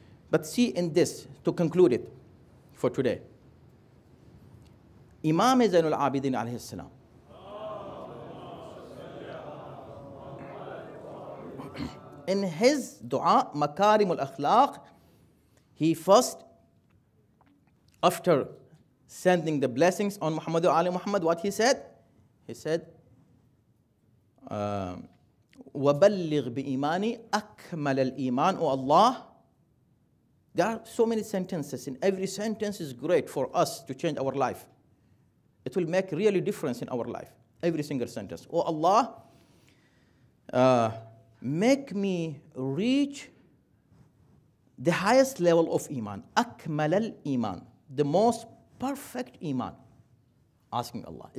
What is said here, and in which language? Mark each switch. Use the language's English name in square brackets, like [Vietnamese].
[English] But see in this, to conclude it, for today, Imam Zainul Abidin alayhi salam. In his dua, Makarim al Akhlaq, he first, after sending the blessings on Muhammad wa Ali Muhammad, what he said? He said, [Arabic] وَبَلِّغْ بِإِيمَانِ أَكْمَلَ الْإِيمَانُ Allah. [English] There are so many sentences, and every sentence is great for us to change our life. It will make really difference in our life, every single sentence. Oh Allah, make me reach the highest level of iman, [Arabic] akmal al-iman, [English] the most perfect iman, asking Allah.